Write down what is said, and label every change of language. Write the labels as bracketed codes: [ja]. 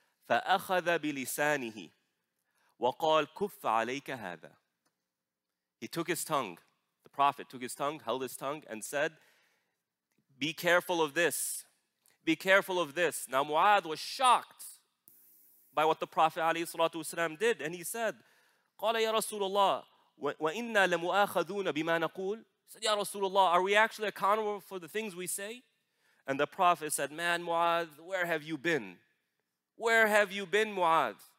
[ar] فَأَخَذَ بِلِسَانِهِ وَقَالْ كُفْ عَلَيْكَ هَذَا. [en] He took his tongue. Prophet took his tongue, held his tongue, and said, be careful of this. Be careful of this. Now Mu'adh was shocked by what the Prophet ﷺ did. And he said, [ar] قَالَ يَا رَسُولُ اللَّهِ وَإِنَّا لَمُؤَخَذُونَ بِمَا نَقُولُ. [en] He said, Ya Rasulullah, are we actually accountable for the things we say? And the Prophet said, man, Mu'adh, where have you been? Where have you been, Mu'adh?